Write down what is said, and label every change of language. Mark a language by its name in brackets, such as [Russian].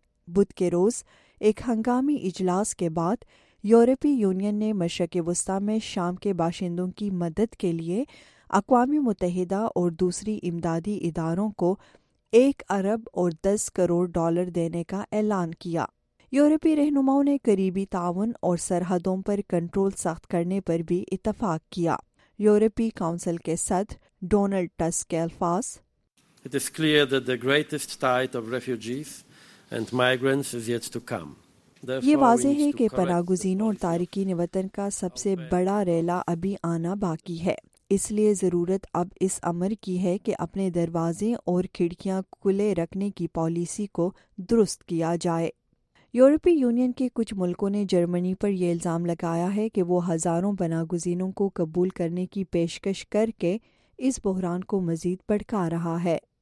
[Urdu] بدھ کے روز ایک ہنگامی اجلاس کے بعد یورپی یونین نے مشرق وسطی میں شام کے باشندوں کی مدد کے لیے اقوام متحدہ اور دوسری امدادی اداروں کو $1.10 billion دینے کا اعلان کیا. یورپی رہنماؤں نے قریبی تعاون اور سرحدوں پر کنٹرول سخت کرنے پر بھی اتفاق کیا. یورپی کونسل کے صدر ڈونلڈ ٹسک کے الفاظ: [English] It is clear that the greatest tide of refugees and migrants is yet to come. [Urdu] یہ واضح ہے کہ پناہ گزینوں اور تارکین وطن کا سب سے بڑا ریلا ابھی آنا باقی ہے. اس لیے ضرورت اب اس امر کی ہے کہ اپنے دروازے اور کھڑکیاں کھلے رکھنے کی پالیسی کو درست کیا جائے. یورپی یونین کے کچھ ملکوں نے جرمنی پر یہ الزام لگایا ہے کہ وہ ہزاروں پناہ گزینوں کو قبول کرنے کی پیشکش کر کے اس بحران کو مزید بھڑکا رہا ہے.